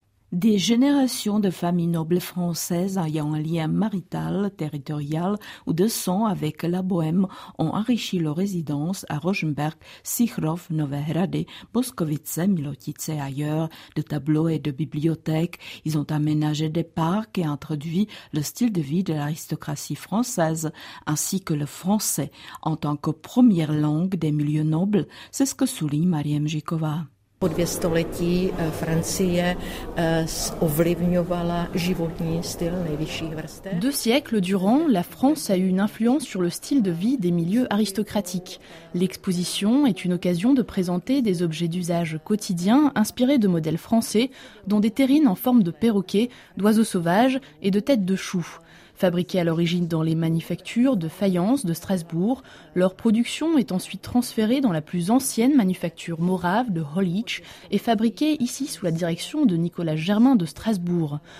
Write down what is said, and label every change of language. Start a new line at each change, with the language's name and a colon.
French: Des générations de familles nobles françaises ayant un lien marital, territorial ou de sang avec la Bohème ont enrichi leur résidence à Rožmberk, Sychrov, Nové Hrady, Boskovice, Milotice et ailleurs, de tableaux et de bibliothèques. Ils ont aménagé des parcs et introduit le style de vie de l'aristocratie française ainsi que le français en tant que première langue des milieux nobles. C'est ce que souligne Marie Mjikova.
Czech: Po 200 Francie ovlivňovala životní styl nejvyšších vrstev.
French: Deux siècles durant, la France a eu une influence sur le style de vie des milieux aristocratiques. L'exposition est une occasion de présenter des objets d'usage quotidien inspirés de modèles français, dont des terrines en forme de perroquets, d'oiseaux sauvages et de têtes de choux. Fabriqués à l'origine dans les manufactures de faïence de Strasbourg, leur production est ensuite transférée dans la plus ancienne manufacture morave de Holich et fabriquée ici sous la direction de Nicolas Germain de Strasbourg.